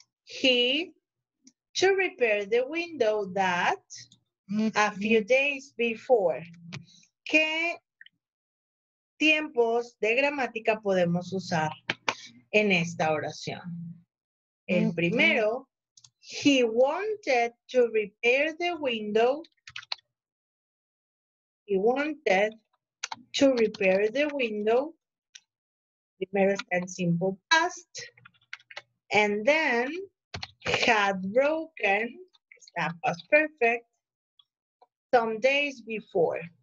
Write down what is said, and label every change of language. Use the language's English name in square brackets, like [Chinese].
[English] He to repair the window that a few days before. [Spanish] ¿Qué tiempos de gramática podemos usar en esta oración? El primero, [English] he wanted to repair the window. He wanted to repair the window. [Spanish] Primero está en [English] simple past. And then had broken, that was perfect, some days before.